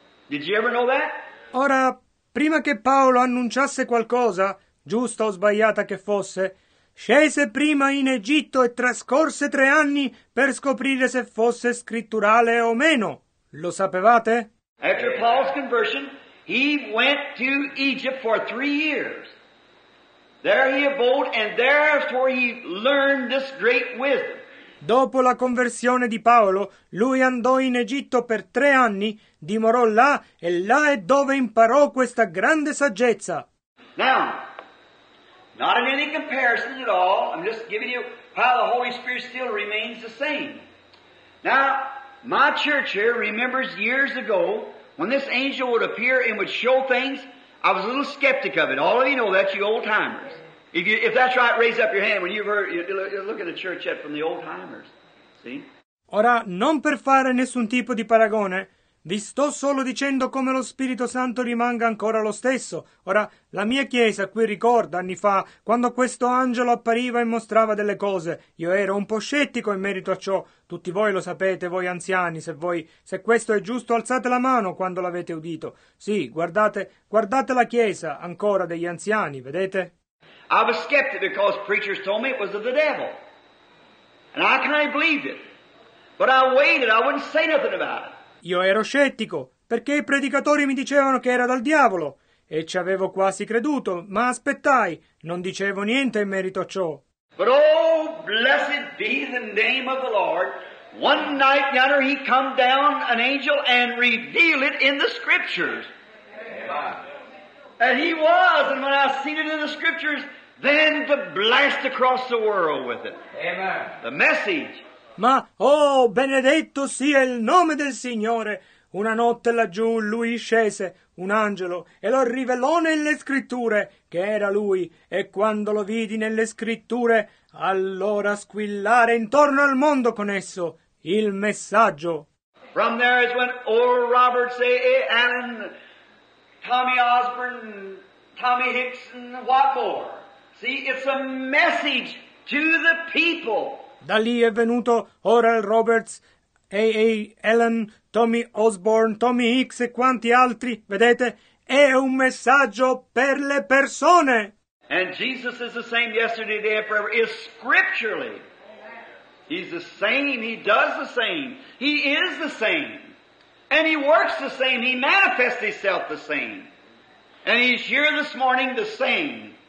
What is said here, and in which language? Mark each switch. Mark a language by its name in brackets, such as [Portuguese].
[English] Did you ever know that? [Italian] Ora, prima che Paolo annunciasse qualcosa, giusta o sbagliata che fosse, scese prima in Egitto e trascorse 3 anni per scoprire se fosse scritturale o meno. Lo sapevate? [English] After Paul's conversion, he went to Egypt for 3 years. There he abode, and therefore he learned this great wisdom. [Italian] Dopo la conversione di Paolo, lui andò in Egitto per 3 anni, dimorò là, e là è dove imparò questa grande saggezza. [English] Now, not in any comparison at all, I'm just giving you how the Holy Spirit still remains the same. Now, my church here remembers years ago, when this angel would appear and would show things, I was a little skeptic of it. All of you know that, you old timers. If that's right, raise up your hand when you've heard, you're looking at church yet from the old timers. See? [Italian] Ora, non per fare nessun tipo di paragone, vi sto solo dicendo come lo Spirito Santo rimanga ancora lo stesso. Ora, la mia chiesa qui ricorda anni fa, quando questo angelo appariva e mostrava delle cose. Io ero un po' scettico in merito a ciò. Tutti voi lo sapete, voi anziani, se questo è giusto, alzate la mano quando l'avete udito. Sì, guardate la chiesa ancora degli anziani, vedete? [English] I was skeptic because preachers told me it was of the devil. And I kind of believed it. But I waited, I wouldn't say nothing about it. [Italian] Io ero scettico, perché i predicatori mi dicevano che era dal diavolo, e ci avevo quasi creduto, ma aspettai, non dicevo niente in merito a ciò. [English] But oh, blessed be the name of the Lord, one night and another he come down an angel and revealed it in the scriptures. Amen. And he was, and when I seen it in the scriptures, then the blast across the world with it. Amen. The message. [Italian] Ma, oh, benedetto sia il nome del Signore! Una notte laggiù lui scese, un angelo, e lo rivelò nelle scritture, che era lui, e quando lo vidi nelle scritture, allora squillare intorno al mondo con esso il messaggio. [English] From there is when old Robert say, hey, Alan, Tommy Osborne, Tommy Hicks, and what more? See, it's a message to the people. [Italian] Da lì è venuto Oral Roberts, A.A. Allen, Tommy Osborne, Tommy Hicks e quanti altri, vedete? è un messaggio per le persone. [English] And Jesus is the same yesterday, today, and forever. Is scripturally. He's the same. He does the same. He is the same. And he works the same. He manifests himself the same. And he's here this morning the same.